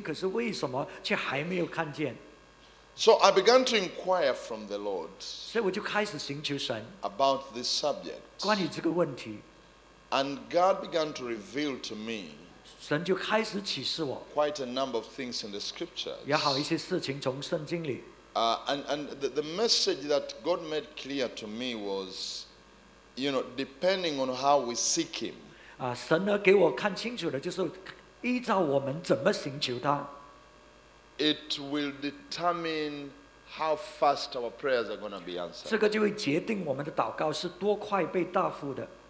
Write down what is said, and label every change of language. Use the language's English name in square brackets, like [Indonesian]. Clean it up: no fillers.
[Chinese] 所以我是牧师，而且我们的教会是祷告的教会。那么很长就有人来问我，为什么他们的祷告呢这么久都没有被答复呢？还有我到各地去呢，很多牧师都在祷告复兴，可是为什么却还没有看见？ [English] So I began to inquire from the Lord. [Chinese] 所以我就开始寻求神 [English] about this subject. [Chinese] 关于这个问题。 [English] And God began to reveal to me [Chinese] 神就开始启示我, [English] quite a number of things in the scriptures. [Chinese] 也好一些事情从圣经里, [English] and the message that God made clear to me was, you know, depending on how we seek Him. [Chinese] 神呢给我看清楚的就是依照我们怎么寻求他, [English] it will determine how fast our prayers are going to be answered. [Chinese] 这个就会决定我们的祷告是多快被答复的。